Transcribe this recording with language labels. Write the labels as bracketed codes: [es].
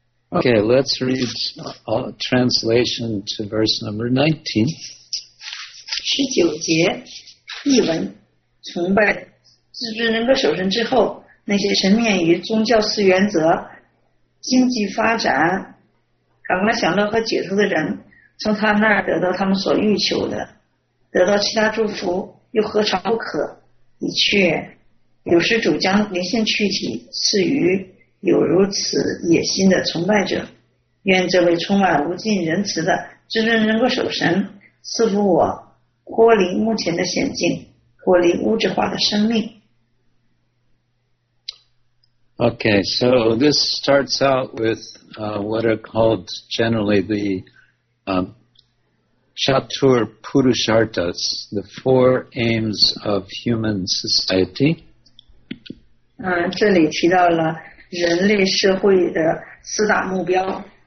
[en] Okay, let's read a translation to verse number 19. [zh] 十九节，译文：崇拜自知人格守身之后，那些沉湎于宗教四原则、经济发展、感官享乐和解脱的人，从他那儿得到他们所欲求的，得到其他祝福，又何尝不可？的确，有时主将灵性躯体赐予有如此野心的崇拜者，愿这位充满无尽仁慈的至尊人格守神赐福我脱离目前的险境，脱离物质化的生命。 [en] Okay, so this starts out with what are called generally the Chatur Purusharthas, the four aims of human society. [zh] 这里提到了人类社会的四大目标